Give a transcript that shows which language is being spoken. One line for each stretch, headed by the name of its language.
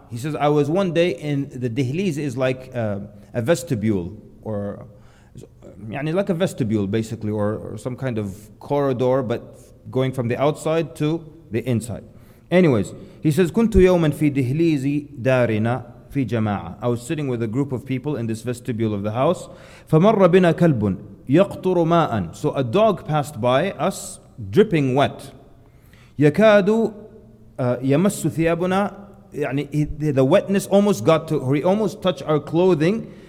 English: He says, I was one day in the dehliz is like a vestibule or يعني like a vestibule basically or some kind of corridor, but going from the outside to the inside. Anyways, he says,
Arabic: كُنْتُ يَوْمًا فِي دِهْلِيزِ دَارِنَا فِي جَمَاعَةً.
English: I was sitting with a group of people in this vestibule of the house.
Arabic: فَمَرَّ بِنَا كَلْبٌ يَقْطُرُ مَاءً.
English: So a dog passed by us, dripping wet.
Arabic: يَكَادُ يَمَسُّ ثِيَابُنَا.
English: The wetness almost got to, or he almost touched our clothing.